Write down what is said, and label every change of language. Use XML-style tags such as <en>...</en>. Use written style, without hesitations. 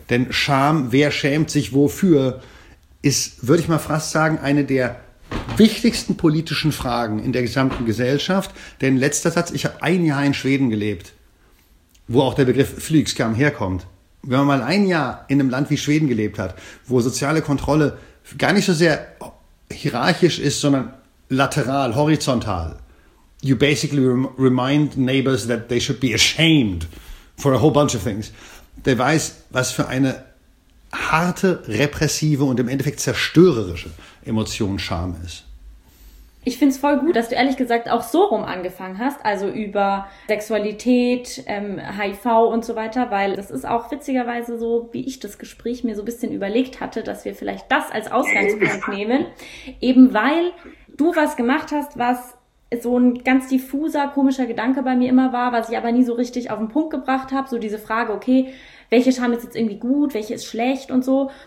<de>Denn Scham, wer schämt sich wofür, ist, würde ich mal fast sagen, eine der wichtigsten politischen Fragen in der gesamten Gesellschaft. Denn letzter Satz, ich habe ein Jahr in Schweden gelebt, wo auch der Begriff Flygskam herkommt. Wenn man mal ein Jahr in einem Land wie Schweden gelebt hat, wo soziale Kontrolle gar nicht so sehr hierarchisch ist, sondern lateral, horizontal.</de> <en>You basically remind neighbors that they should be ashamed for a whole bunch of things.</en> <de>Der weiß, was für eine harte, repressive und im Endeffekt zerstörerische Emotion Scham ist. Ich finde es voll gut, dass du ehrlich gesagt auch so rum angefangen hast, also über Sexualität, HIV und so weiter, weil das ist auch witzigerweise so, wie ich das Gespräch mir so ein bisschen überlegt hatte, dass wir vielleicht das als Ausgangspunkt nehmen, eben weil du was gemacht hast, was so ein ganz diffuser, komischer Gedanke bei mir immer war, was ich aber nie so richtig auf den Punkt gebracht habe, so diese Frage, okay, welche Scham ist jetzt irgendwie gut, welche ist schlecht und so.</de>